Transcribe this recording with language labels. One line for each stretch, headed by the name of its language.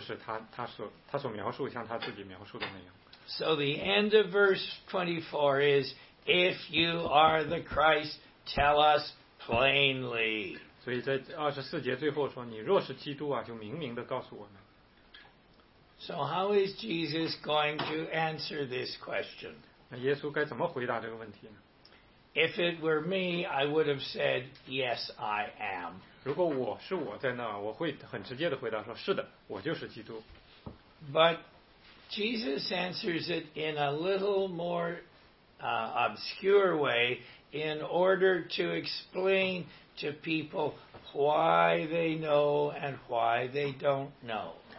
Chinese: 所以如果圣经是真的，那他上面所记载的耶稣，所讲的是不是他所描述像他自己描述的那样？
English: So the end of verse 24 is, if you are the Christ, tell us plainly.
Chinese: 所以在24节最后说，你若是基督啊，就明明的告诉我们。
English: So how is Jesus going to answer this question?
Chinese: 那耶稣该怎么回答这个问题呢？
English: If it were me, I would have said, yes, I am.
Chinese: 如果我是我在那，我会很直接地回答说，是的，我就是基督。
English: But Jesus answers it in a little more obscure way in order to explain to people why they know and why they don't know.